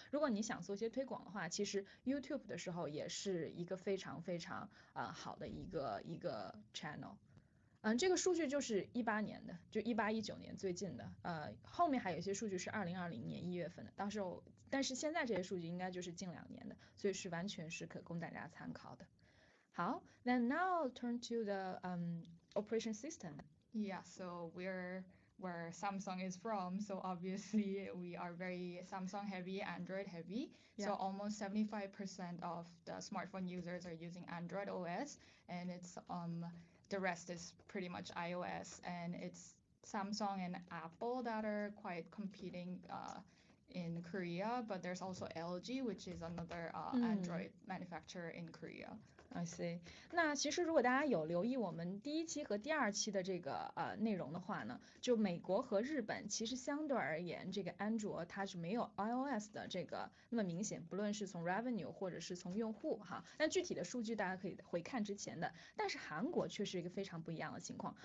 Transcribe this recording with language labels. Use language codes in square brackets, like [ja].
[zh] 如果你想做一些推广的话，其实 YouTube 的时候也是一个非常非常好的一个 channel。这个数据就是18年的，就2018-2019年最近的，后面还有一些数据是2020年1月份的，到时候，但是现在这些数据应该就是近2年的，所以是完全是可供大家参考的。 [en] 好，then now I'll turn to the operation system。 Yeah, so we're where Samsung is from, so obviously we are very Samsung heavy, Android heavy. Yeah. So almost 75% of the smartphone users are using Android OS, and it's the rest is pretty much iOS, and it's Samsung and Apple that are quite competing in Korea, but there's also LG, which is another Android manufacturer in Korea. I see. [zh] 那其实如果大家有留意我们第一期和第二期的这个内容的话呢，就美国和日本其实相对而言，这个安卓它是没有 iOS 的这个那么明显，不论是从 revenue 或者是从用户哈。那具体的数据大家可以回看之前的，但是韩国却是一个非常不一样的情况。